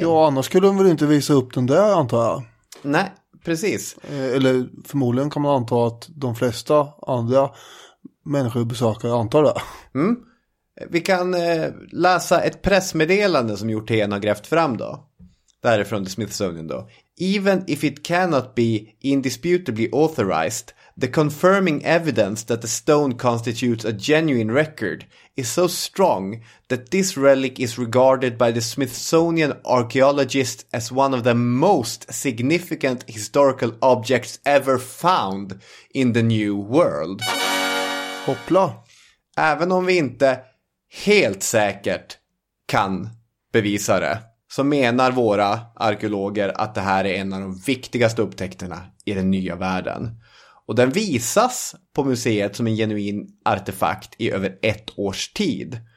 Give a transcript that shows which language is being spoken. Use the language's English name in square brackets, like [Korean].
[Swedish] Ja, annars skulle de väl inte visa upp den där, antar jag. Nej, precis. Eller förmodligen kan man anta att de flesta andra människor besöker, antar det. Mm. Vi kan läsa ett pressmeddelande som Jorten har grävt fram då. Därifrån The Smithsonian då. [English] Even if it cannot be indisputably authorized, the confirming evidence that the stone constitutes a genuine record is so strong that this relic is regarded by the Smithsonian archaeologists as one of the most significant historical objects ever found in the new world. [Swedish] Hoppla. Även om vi inte helt säkert kan bevisa det, så menar våra arkeologer att det här är en av de viktigaste upptäckterna i den nya världen. Och den visas på museet som en genuin artefakt i över ett års tid.